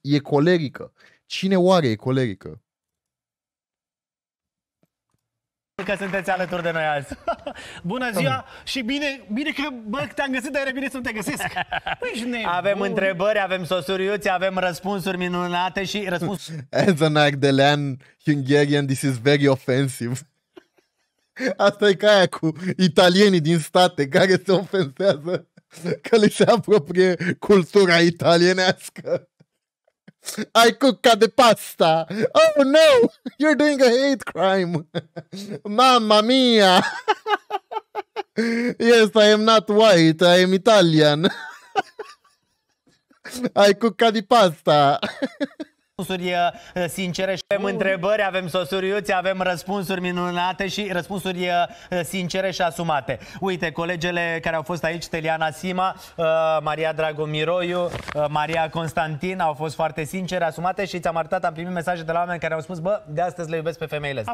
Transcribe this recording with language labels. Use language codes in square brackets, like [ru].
[ro] E colerică. Cine oare e colerică? Că sunteți alături de noi azi. Bună ziua și bine că te-am găsit, dar e bine să te găsesc. Avem întrebări, avem sosuriuți, avem răspunsuri minunate și răspuns. [en] As an Ardelean Hungarian, this is very offensive. [ro] Asta e ca aia cu italienii din state care se ofensează că li se apropie cultura italienească. [en] I cook ca de pasta. Oh no, you're doing a hate crime. Mamma mia. Yes, I am not white, I am Italian. I cook ca de pasta. [ro] Răspunsuri sincere și avem întrebări, avem sosuriuți, avem răspunsuri minunate și răspunsuri sincere și asumate. Uite, colegele care au fost aici, Teliana Sima, Maria Dragomiroiu, Maria Constantin, au fost foarte sincere, asumate și ți-am arătat, am primit mesaje de la oameni care au spus: bă, de astăzi le iubesc pe femeile astea.